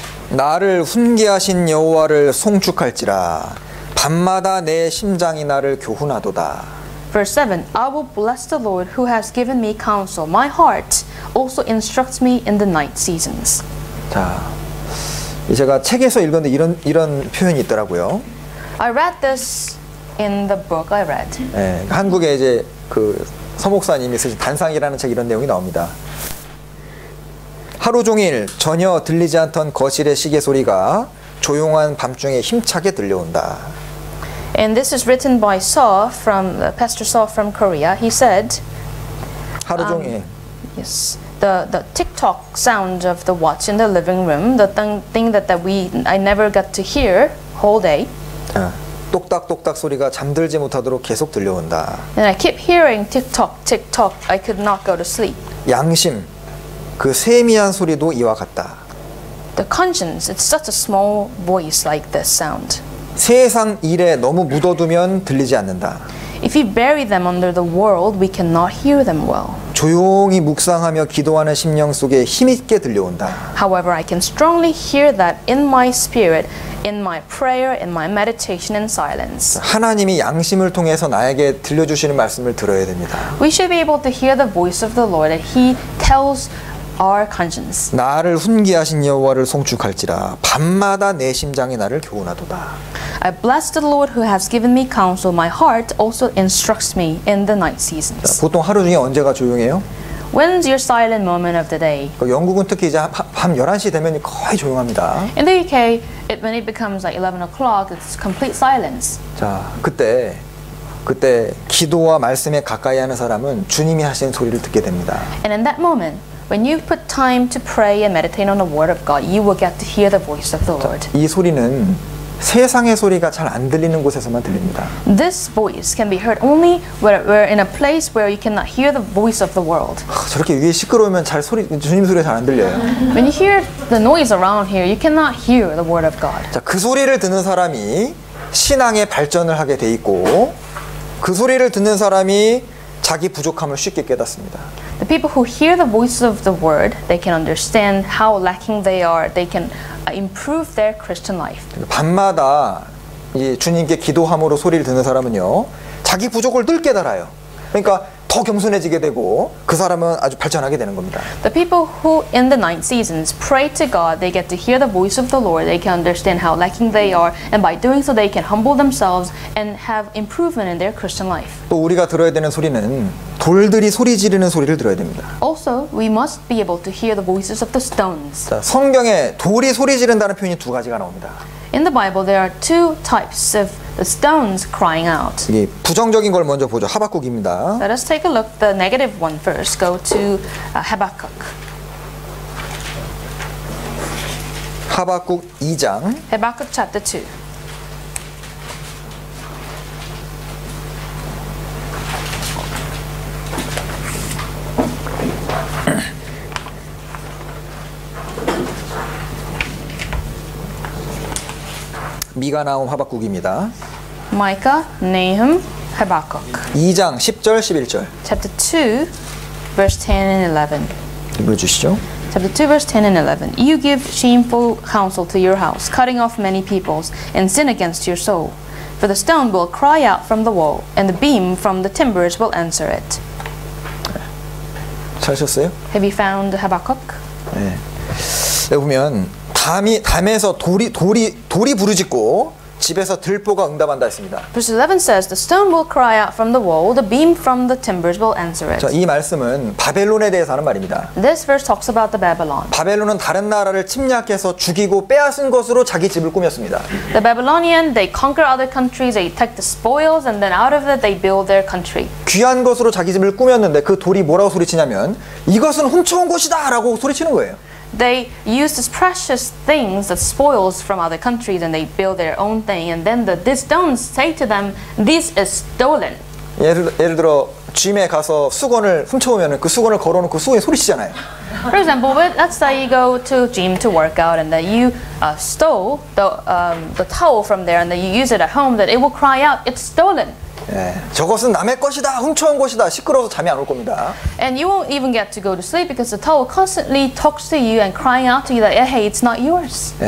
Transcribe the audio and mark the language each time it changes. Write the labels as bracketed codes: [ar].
[ko] 나를 훈계하신 여호와를 송축할지라 밤마다 내 심장이 나를 교훈하도다. [en] Verse 7. I will bless the Lord who has given me counsel. My heart also instructs me in the night seasons. [ko] 자, 제가 책에서 읽었는데 이런 표현이 있더라고요. [en] I read this in the book I read. [ko] 네, 한국에 이제 그 서목사님이 쓰신 단상이라는 책 이런 내용이 나옵니다. 하루 종일 전혀 들리지 않던 거실의 시계 소리가 조용한 밤중에 힘차게 들려온다. [en] And this is written by Saw from Pastor Saw from Korea. He said, [ko] 하루 종일. [en] Yes. The tick-tock sound of the watch in the living room, the thing that we I never got to hear whole day. [ko] 아, 똑딱똑딱 소리가 잠들지 못하도록 계속 들려온다. [en] And I keep hearing tick-tock, tick-tock. I could not go to sleep. [ko] 양심. 그 세미한 소리도 이와 같다. [en] The conscience, it's such a small voice like this sound. [ko] 세상 일에 너무 묻어두면 들리지 않는다. [en] If you bury them under the world, we cannot hear them well. [ko] 조용히 묵상하며 기도하는 심령 속에 힘있게 들려온다. [en] However, I can strongly hear that in my spirit, in my prayer, in my meditation and silence. [ko] 하나님이 양심을 통해서 나에게 들려주시는 말씀을 들어야 됩니다. [en] We should be able to hear the voice of the Lord that he tells our conscience. [ko] 나를 훈계하신 여호와를 송축할지라 밤마다 내 심장이 나를 교훈하도다. [en] I bless the Lord who has given me counsel. My heart also instructs me in the night seasons. [ko] 자, 보통 하루 중에 언제가 조용해요? [en] When's your silent moment of the day? [ko] 영국은 특히 이제 밤 11시 되면 거의 조용합니다. [en] In the UK, when it becomes like 11 o'clock, it's complete silence. [ko] 자, 그때 기도와 말씀에 가까이 하는 사람은 주님이 하시는 소리를 듣게 됩니다. [en] And in that moment, when you put time to pray and meditate on the word of God, you will get to hear the voice of the Lord. [ko] 이 소리는 세상의 소리가 잘 안 들리는 곳에서만 들립니다. [en] This voice can be heard only where in a place where you cannot hear the voice of the world. [ko] 저렇게 위에 시끄러우면 잘 소리 주님 소리 잘 안 들려요. [en] When you hear the noise around here, you cannot hear the word of God. [ko] 자, 그 소리를 듣는 사람이 신앙의 발전을 하게 돼 있고 그 소리를 듣는 사람이 자기 부족함을 쉽게 깨닫습니다. [en] The people who hear the voice of the word, they can understand how lacking they are. They can improve their Christian life. [ko] 밤마다 주님께 기도함으로 소리를 듣는 사람은요, 자기 부족을 늘 깨달아요. 그러니까 더 겸손해지게 되고 그 사람은 아주 발전하게 되는 겁니다. [en] The people who in the night seasons pray to God, they get to hear the voice of the Lord. They can understand how lacking they are, and by doing so, they can humble themselves and have improvement in their Christian life. [ko] 또 우리가 들어야 되는 소리는 돌들이 소리 지르는 소리를 들어야 됩니다. [en] Also, we must be able to hear the voices of the stones. [ko] 자, 성경에 돌이 소리 지른다는 표현이 두 가지가 나옵니다. [en] In the Bible, there are two types of the stones crying out. [ko] 이 부정적인 걸 먼저 보죠. 하박국입니다. [en] Let us take a look at the negative one first. Go to Habakkuk. [ko] 하박국 2장. [en] Habakkuk chapter 2. [ko] 미가 나온 하박국입니다. [en] Micah, Nahum, Habakkuk. [ko] 2장 10절 11절. [en] Chapter 2, verse 10 and 11. [ko] 읽어주시죠. [en] Chapter 2, verse 10 and 11. You give shameful counsel to your house, cutting off many peoples, and sin against your soul. For the stone will cry out from the wall, and the beam from the timbers will answer it. [ko] 찾으셨어요? [en] Have you found Habakkuk? [ko] 네. 여기 보면 담에서 돌이 부르짖고 집에서 들보가 응답한다 했습니다. [en] Verse 11 says the stone will cry out from the wall, the beam from the timbers will answer it. [ko] 자, 이 말씀은 바벨론에 대해서 하는 말입니다. [en] This verse talks about the Babylon. [ko] 바벨론은 다른 나라를 침략해서 죽이고 빼앗은 것으로 자기 집을 꾸몄습니다. [en] The Babylonian they conquer other countries, they take the spoils, and then out of it they build their country. [ko] 귀한 것으로 자기 집을 꾸몄는데 그 돌이 뭐라고 소리치냐면 이것은 훔쳐온 것이다라고 소리치는 거예요. [en] They use these precious things, the spoils from other countries, and they build their own thing. And then the stones say to them, "This is stolen." [ko] 예를 들어 짐에 가서 수건을 훔쳐오면은 그 수건을 걸어놓고 수건이 소리치잖아요. [en] For example, let's say you go to gym to work out, and that you stole the towel from there, and that you use it at home. That it will cry out, "It's stolen." [ko] 저것은 남의 것이다, 훔쳐온 것이다, 시끄러워서 잠이 안 올 겁니다. [en] And you won't even get to go to sleep because the dog will constantly talk to you and crying out to you that hey, it's not yours.